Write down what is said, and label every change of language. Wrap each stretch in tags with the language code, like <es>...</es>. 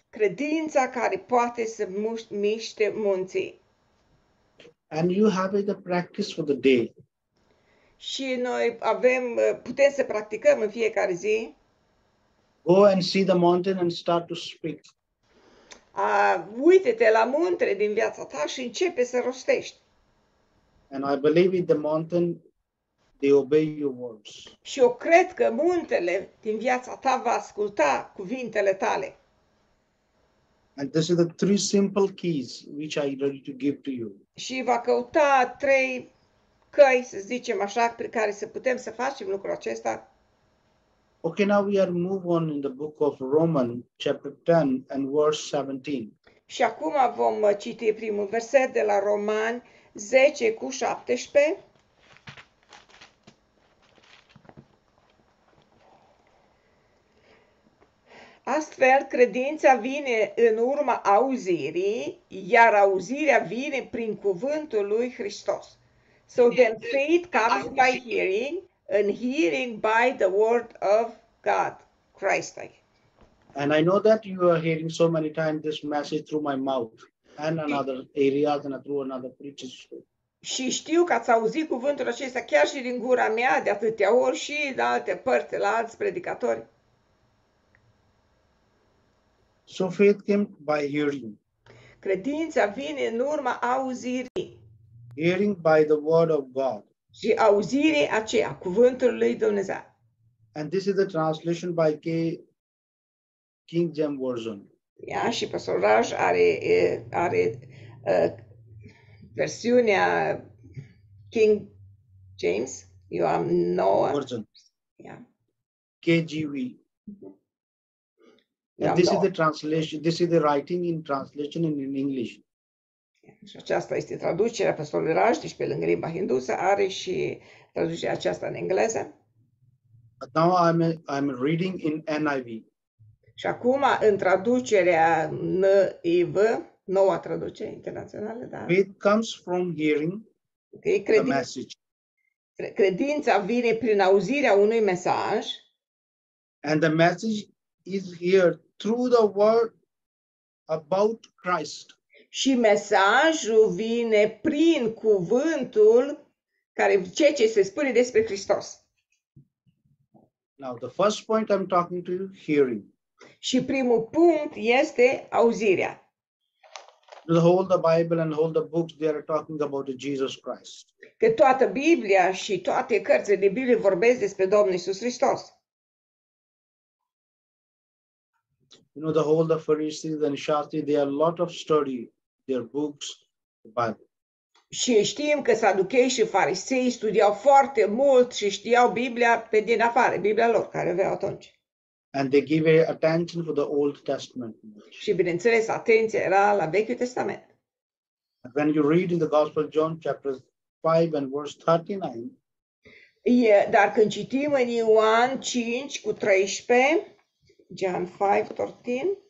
<ro>Credința care poate să miște munții.</ro> <en>And you have the practice for the day.</en> <ro>Și noi avem, putem să practicăm în fiecare zi.</ro> <en>Go and see the mountain and start to speak.</en> <ro>Uite-te la munte din viața ta și începe să rostești.</ro> <en>And I believe in the mountain, they obey your words.</en> <ro>Și eu cred că muntele din viața ta va asculta cuvintele tale.</ro> <en>And this is the three simple keys which I ready to give to you.</en> <ro>Și va căuta trei căi, să zicem așa, prin care să putem să facem lucrul acesta.</ro> <en>Okay, now we are move on in the book of Romans, chapter 10 and verse 17.</en> <ro>Și acum vom citi primul verset de la Roman 10 cu 17. Astfel, credința vine în urma auzirii, iar auzirea vine prin cuvântul lui Hristos.</ro> <en>So then faith comes by hearing, and hearing by the word of God, Christ. And I know that you are hearing so many times this message through my mouth and another areas and through another preachers.</en> <ro>Și știu că ați auzit cuvântul acesta chiar și din gura mea de atâtea ori și de alte părți la alți predicatori.</ro> <en>So faith came by hearing.</en> <ro>Credința vine în urma auzirii.</ro> <en>Hearing by the word of God.</en> <ro>Și auzirea aceea, cuvântul lui Dumnezeu.</ro> <en>And this is the translation by King James Version.</en> <ro>Ia, și pastor Raj are versiunea King James. Eu am noua.</ro> <en>Version. Yeah. KJV. And this is the translation, this is the writing in translation in English.</en> <ro>Și aceasta este traducerea pastorului Raj, deci pe lângă limba hindusă are și traducerea aceasta în engleză.</ro> <en>But now I'm reading in NIV.</en> <ro>Și acum în traducerea NIV, noua traducere internațională, da.</ro> <en>It comes from hearing the message.</en> <ro>Credința vine prin auzirea unui mesaj.</ro> <en>And the message is here through the word about Christ.</en> <ro>Și mesajul vine prin cuvântul care ceea ce se spune despre Hristos.</ro> <en>Now the first point I'm talking to you, hearing.</en> <ro>Și primul punct este auzirea.</ro> <en>The whole the Bible and whole the books they are talking about Jesus Christ.</en> <ro>Că toată Biblia și toate cărțile de Biblie vorbesc despre Domnul Iisus Hristos.</ro> <en>You know the whole the Pharisees and Sadducees, they have a lot of study. Their books, the Bible.</en> <ro>Și știm că Saducheii și Farisei studiau foarte mult și știau Biblia pe din afară, Biblia lor care avea atunci.</ro> <en>And they gave attention for the Old Testament.</en> <ro>Și bineînțeles, atenția era la Vechiul Testament.</ro> <en>And when you read in the Gospel of John chapter 5 and verse 39.</en> <ro>Dar când citim în Ioan 5 cu 13,</ro> <en>John 5, 13.</en>